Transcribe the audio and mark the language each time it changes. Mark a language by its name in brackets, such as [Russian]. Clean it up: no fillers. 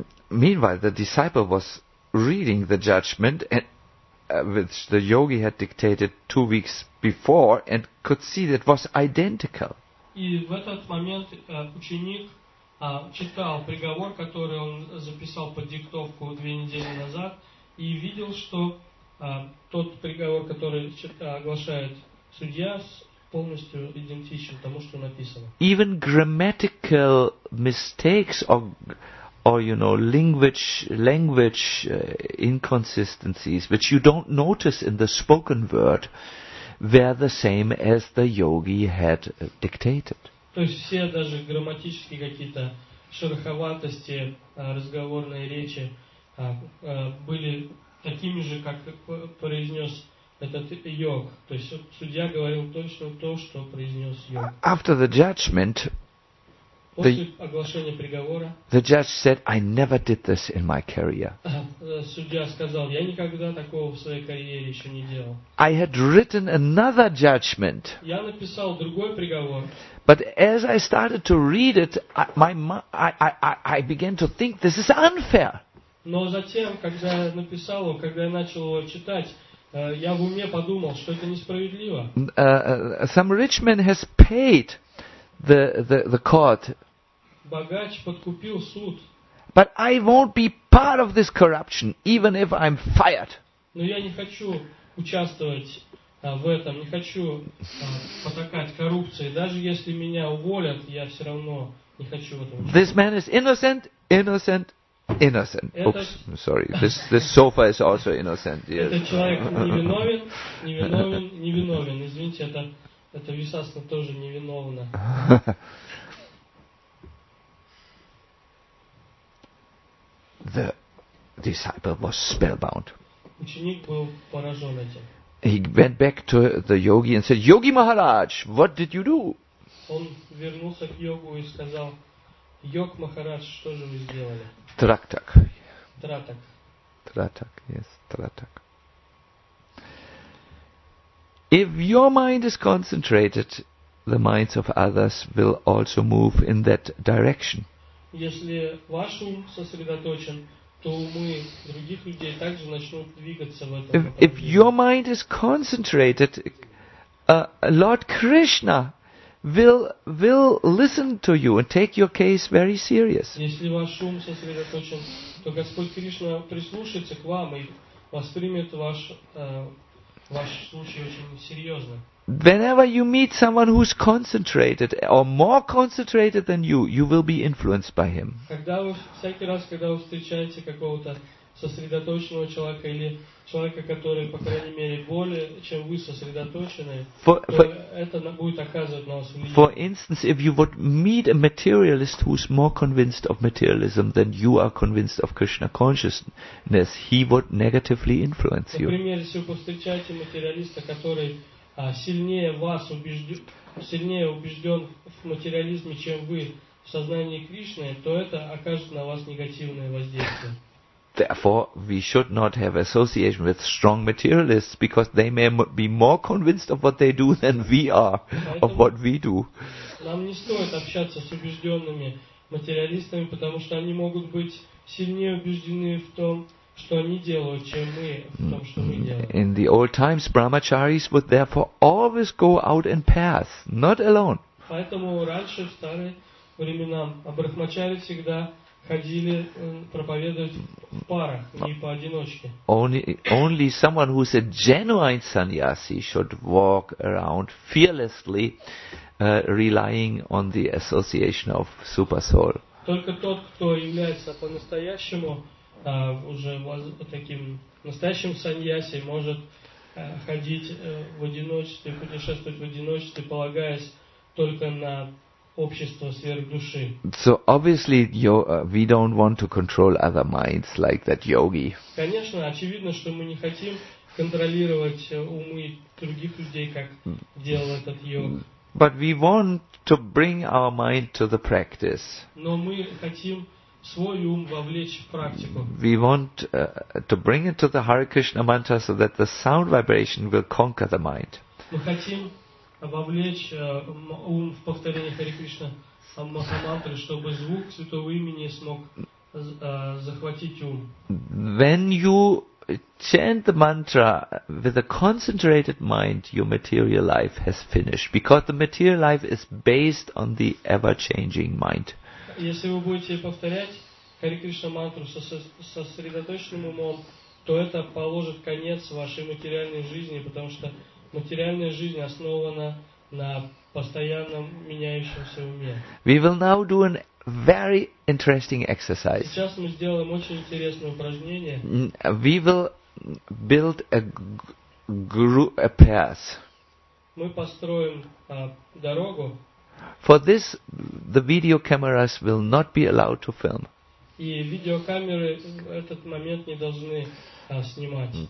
[English] Meanwhile, the disciple was reading the judgment and, which the yogi had dictated 2 weeks before and could see that it was identical. [Russian] И в этот момент ученик читал приговор, который он записал под диктовку 2 недели назад, и видел, что тот приговор, который оглашает судья, полностью идентичен тому, что написано. [English] Even grammatical mistakes or you know, language inconsistencies which you don't notice in the spoken word were the same as the yogi had dictated. [Russian] То есть все даже грамматические какие-то шероховатости разговорной речи были такими же, как произнес этот йог. То есть судья говорил точно то, что произнес йог. [English] After the judgment, [Russian] после оглашения приговора, [English] the judge said, I never did this in my career. [Russian] Судья сказал, я никогда такого в своей карьере еще не делал. [English] I had written another judgment. [Russian] Я написал другой приговор. [English] But as I started to read it, I began to think, this is unfair. [Russian] Но затем, когда я написал его, когда я начал его читать, я в уме подумал, что это несправедливо. [English] Some rich man has paid the court. [Russian] Богач подкупил суд. [English] But I won't be part of this corruption, even if I'm fired. [Russian] Но я не хочу участвовать в этом, не хочу потакать коррупции. Даже если меня уволят, я все равно не хочу в этом. [English] This man is innocent. Oops, I'm sorry. This sofa is also innocent. Yes. [Russian] Этот человек невиновен. Извините, это висасно тоже невиновно. [English] The disciple was spellbound. [Russian] Ученик был поражен этим. [English] He went back to the yogi and said, Yogi Maharaj, what did you do? [Russian] Он вернулся к йогу и сказал, Йог Махарадж, что же вы сделали? Трактак. Тратак. Тратак, [English] yes, [Russian] тратак. [English] If your mind is concentrated, the minds of others will also move in that direction. [Russian] Если ваш ум сосредоточен, то умы других людей также начнут двигаться в этом направлении. [English] If your mind is concentrated, Lord Krishna will listen to you and take your case very serious. [Russian] Если ваш ум сосредоточен, то Господь Кришна прислушается к вам и воспримет ваш случай очень серьезно. [English] Whenever you meet someone who's concentrated or more concentrated than you will be influenced by him. [Russian] Когда вы всякий раз, когда вы встречаете какого-то сосредоточенного человека или человека, который, по крайней мере, более, чем вы сосредоточены, это будет оказывать на вас влияние. [English] For instance, if you would meet a materialist who is more convinced of materialism than you are convinced of Krishna consciousness, he would negatively influence you. [Russian] Например, если вы повстречаете материалиста, который сильнее убежден в материализме, чем вы в сознании Кришны, то это окажет на вас негативное воздействие. [English] Therefore, we should not have association with strong materialists because they may be more convinced of what they do than we are, of what we do. [Russian] Нам не стоит общаться с убежденными материалистами, потому что они могут быть сильнее убеждены в том, что они делают, чем мы в том, что мы делаем. [English] In the old times, brahmacharis would therefore always go out in pairs, not alone. [Russian] Поэтому раньше, в старые времена, брахмачари всегда ходили проповедовать в парах, не поодиночке. [English] Only someone who is a genuine sannyasi should walk around fearlessly, relying on the association of super soul. [Russian] Только тот, кто является по-настоящему уже таким настоящим сannyasi, может ходить в одиночестве, путешествовать в одиночестве, полагаясь только на общество сверхдуши. [English] So obviously we don't want to control other minds like that yogi. [Russian] Конечно, очевидно, что мы не хотим контролировать умы других людей, как делал этот йог. [English] But we want to bring our mind to the practice. [Russian] Но мы хотим свой ум вовлечь в практику. [English] We want to bring it to the Hare Krishna mantra so that the sound vibration will conquer the mind. [Russian] Мы хотим вовлечь ум в повторение Хари Кришна Махамантры, чтобы звук Святого Имени смог захватить ум. [English] When you chant the mantra with a concentrated mind, your material life has finished, because the material life is based on the ever-changing mind. [Russian] Если вы будете повторять Хари Кришна мантру со сосредоточенным умом, то это положит конец вашей материальной жизни, потому что материальная жизнь основана на постоянном меняющемся уме. [English] We will now do a very interesting exercise. [Russian] Сейчас мы сделаем очень интересное упражнение. [English] We will build a group of paths. [Russian] Мы построим дорогу. [English] For this, the video cameras will not be allowed to film. [Russian] И видеокамеры в этот момент не должны снимать.